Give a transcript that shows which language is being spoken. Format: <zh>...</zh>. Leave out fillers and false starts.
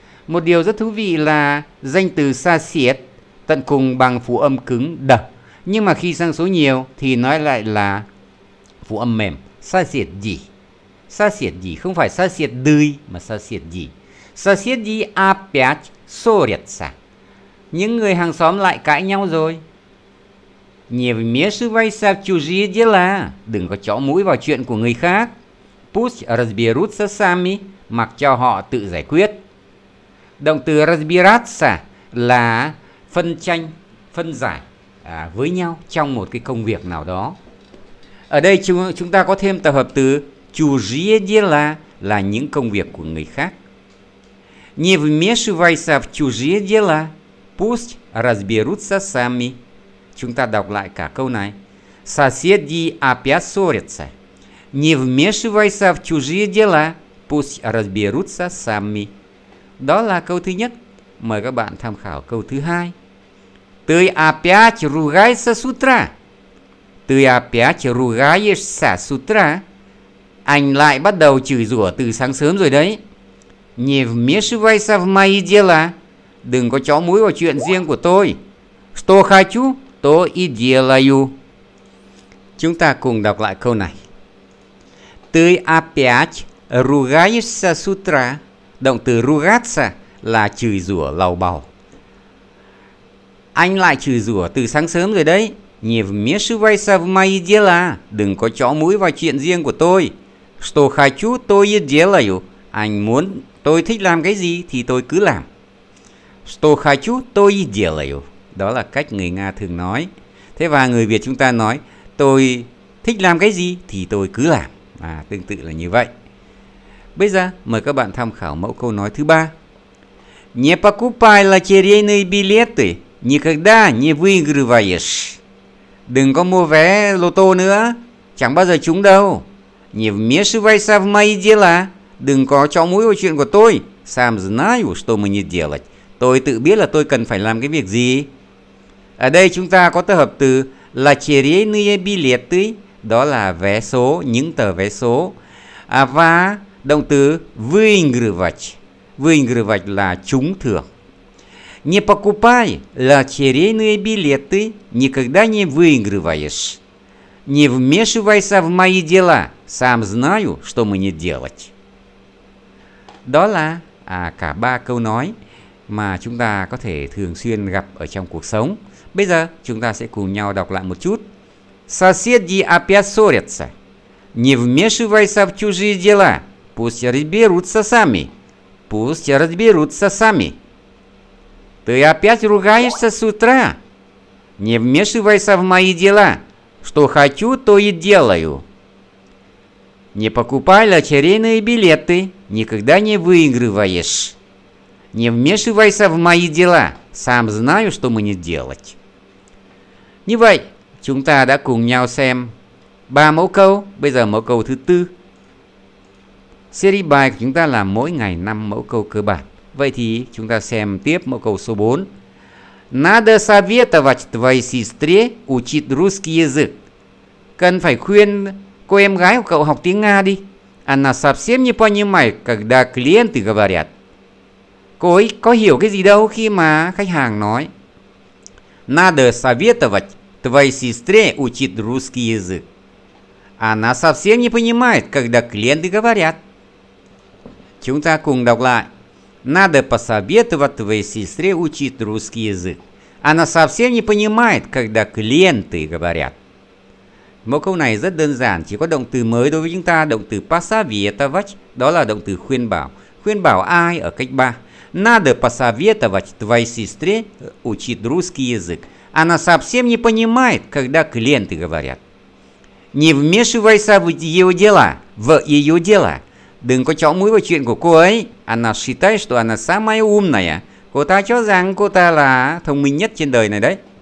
<vi>Một điều рất thú vị là danh từ сосед tận cùng bằng phụ âm cứng đ. Nhưng mà khi sang số nhiều thì nói lại là phụ âm mềm. Соседи. Соседи. Không phải соседы mà соседи.</vi> <ru>Соседи опять ссорятся.</ru> <vi>Những người hàng xóm lại cãi nhau rồi.</vi> <ru>Не вмешивайся в чужие дела.</ru> <vi>Đừng có chõ mũi vào chuyện của người khác.</vi> <ru>Пусть разберутся сами.</ru> <vi>Mặc cho họ tự giải quyết. Động từ разбираться là phân tranh, phân giải với nhau trong một cái công việc nào đó. Ở đây chúng ta có thêm tập hợp từ чужие дела là những công việc của người khác.</vi> <ru>Не вмешивайся в чужие дела. Пусть разберутся сами.</ru> <vi>Chúng ta đọc lại cả câu này.</vi> <ru>Соседи опять ссорятся. Не вмешивайся в чужие дела. Пусть разберутся сами.</ru> <vi>Đó là câu thứ nhất. Mời các bạn tham khảo câu thứ hai.</vi> <ru>Ты опять ругаешься с утра. Ты опять ругаешься с утра.</ru> <vi>Anh lại bắt đầu chửi rủa từ sáng sớm rồi đấy.</vi> <ru>Не вмешивайся в мои дела.</ru> <vi>Đừng có chó mũi vào chuyện riêng của tôi.</vi> <ru>Что хочу? То и делаю.</ru> <vi>Chúng ta cùng đọc lại câu này.</vi> <ru>Ты опять ругаешься с утра.</ru> <vi>Động từ ругаться là chửi rủa lầu bầu. Anh lại chửi rủa từ sáng sớm rồi đấy.</vi> <ru>Не вмешивайся в мои дела.</ru> <vi>Đừng có chó mũi vào chuyện riêng của tôi.</vi> <ru>Что хочу, то и делаю.</ru> <vi>Anh muốn tôi thích làm cái gì thì tôi cứ làm.</vi> <ru>Что хочу, то и делаю.</ru> <vi>Đó là cách người Nga thường nói. Thế và người Việt chúng ta nói tôi thích làm cái gì thì tôi cứ làm. Tương tự là như vậy. Bây giờ mời các bạn tham khảo mẫu câu nói thứ ba.</vi> <ru>Не покупай лотерейные билеты. Никогда не выигрываешь.</ru> <vi>Đừng có mua vé lô tô nữa. Chẳng bao giờ trúng đâu.</vi> <ru>Не вмешивайся в мои дела.</ru> <vi>Đừng có chõ mũi vào chuyện của tôi.</vi> <ru>Сам знаю, что мне делать.</ru> <vi>Tôi tự biết là tôi cần phải làm cái việc gì. Ở đây chúng ta có tập hợp từ лотерейные билеты. Đó là vé số, những tờ vé số. Và động từ выигрывать. Выигрывать là trúng thưởng.</vi> <ru>Не покупай лотерейные билеты, никогда не выигрываешь. Не вмешивайся в мои дела, сам знаю, что мне делать.</ru> <vi>Đó là cả ba câu nói mà chúng ta có thể thường xuyên gặp ở trong cuộc sống. Bây giờ chúng ta sẽ cùng nhau đọc lại một chút.</vi> <ru>Соседи опять ссорятся. Не вмешивайся в чужие дела. Пусть разберутся сами. Пусть разберутся сами. Ты опять ругаешься с утра. Не вмешивайся в мои дела. Что хочу, то и делаю. Не покупай лотерейные билеты. Никогда не выигрываешь. Не вмешивайся в мои дела. Сам знаю, что мне делать.</ru> <vi>Như vậy, chúng ta đã cùng nhau xem ba mẫu câu. Bây giờ mẫu câu thứ tư. Series bài của chúng ta là mỗi ngày 5 mẫu câu cơ bản. Vậy thì chúng ta xem tiếp mẫu câu số 4.</vi> <ru>Надо советовать твоей сестре учить русский язык.</ru> <vi>Cần phải khuyên cô em gái của cậu học tiếng Nga đi.</vi> <ru>Она совсем не понимает, когда клиенты говорят.</ru> <vi>Cô ấy có hiểu cái gì đâu khi mà khách hàng nói.</vi> <ru>Надо советовать твоей сестре учить русский язык. Она совсем не понимает, когда клиенты говорят.</ru> <vi>Chúng ta cùng đọc lại.</vi> <ru>Надо посоветовать твоей сестре учить русский язык. Она совсем не понимает, когда клиенты говорят.</ru> <vi>Mẫu câu này rất đơn giản, chỉ có động từ mới đối với chúng ta, động từ посоветовать, đó là động từ khuyên bảo. Khuyên bảo ai ở cách 3?</vi> <ru>Надо посоветовать твоей сестре учить русский язык. Она совсем не понимает, когда клиенты говорят. Не вмешивайся в ее дела. В ее дела.</ru> <vi>Đừng có chọn mũi vào chuyện của cô ấy.</vi> <ru>Она считает, что она самая умная.</ru> <vi>Cô ta cho rằng cô ta là thông minh nhất trên đời này đấy.</vi>